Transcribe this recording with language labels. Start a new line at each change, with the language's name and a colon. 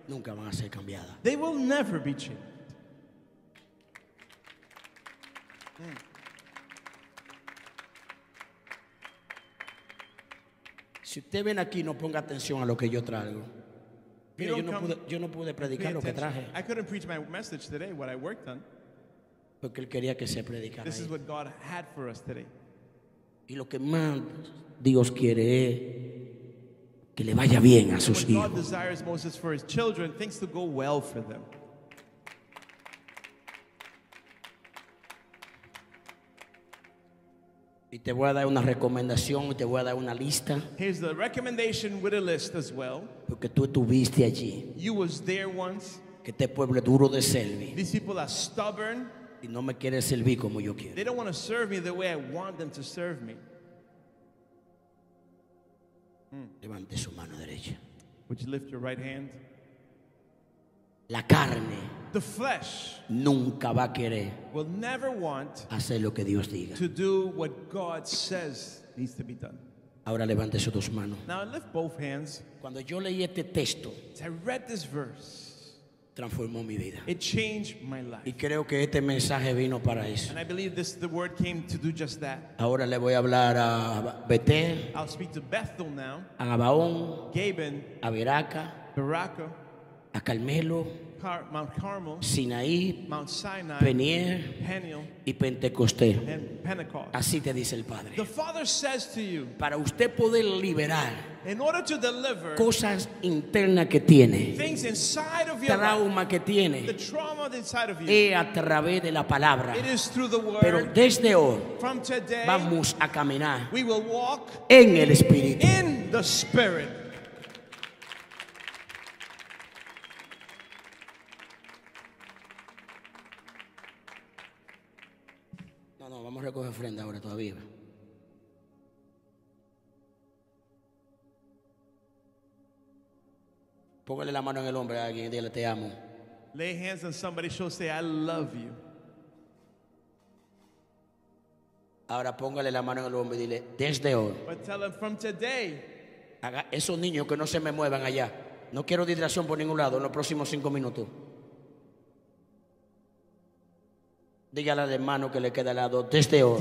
Spanish: Nunca van a ser cambiadas.
English: They will never be changed.
Spanish: Si usted ven aquí, no ponga atención a lo que yo traigo. Mira, yo no pude predicar lo que traje.
English: I couldn't preach my message today, what I worked on.
Spanish: Porque él quería que se predicara.
English: This is what God had for us today.
Spanish: Y lo que más Dios quiere es que le vaya bien a sus hijos.
English: What God desires most is for his children, things to go well for them.
Spanish: Y te voy a dar una recomendación y te voy a dar una lista.
English: Here's the recommendation with a list as well.
Spanish: Porque tú estuviste allí.
English: You was there once.
Spanish: Que este pueblo es duro de servir.
English: These people are stubborn.
Spanish: Y no me quieren servir como yo quiero.
English: They don't want to serve me the way I want them to serve me.
Spanish: Levante su mano derecha.
English: Would you lift your right hand?
Spanish: La carne.
English: The flesh
Spanish: nunca va a querer
English: will never want
Spanish: hacer lo que Dios diga.
English: To do what God says needs to be done.
Spanish: Ahora levante sus dos manos.
English: Now lift both hands.
Spanish: Cuando yo leí este texto,
English: I read this verse,
Spanish: transformó mi vida.
English: It changed my life.
Spanish: Y creo que este mensaje vino para eso.
English: And I believe this, the word came to do just that.
Spanish: Ahora le voy a hablar a Betel.
English: I'll speak to Bethel now.
Spanish: A Gabaón.
English: Gaben.
Spanish: A Beraca.
English: Baraka.
Spanish: A Carmelo.
English: Mount Carmel,
Spanish: Sinaí,
English: Mount Sinai,
Spanish: Peniel,
English: Peniel
Spanish: y Pentecostés.
English: And Pentecost.
Spanish: Así te dice el Padre.
English: The Father says to you,
Spanish: para usted poder liberar
English: in order to deliver
Spanish: cosas internas que tiene,
English: things inside of your
Spanish: trauma
English: life,
Spanish: que tiene,
English: the trauma inside of you,
Spanish: es a través de la palabra.
English: It is through the word.
Spanish: Pero desde hoy,
English: from today,
Spanish: vamos a caminar
English: we will walk
Spanish: en el Espíritu.
English: In the Spirit.
Spanish: No, no, vamos a recoger ofrenda ahora todavía. Póngale la mano en el hombro a alguien y dile te amo.
English: Lay hands on somebody, she'll say I love you.
Spanish: Ahora póngale la mano en el hombro y dile desde hoy.
English: But tell him from today.
Spanish: Haga esos niños que no se me muevan allá. No quiero distracción por ningún lado en los próximos 5 minutos. Dígale al hermano que le queda al lado desde hoy.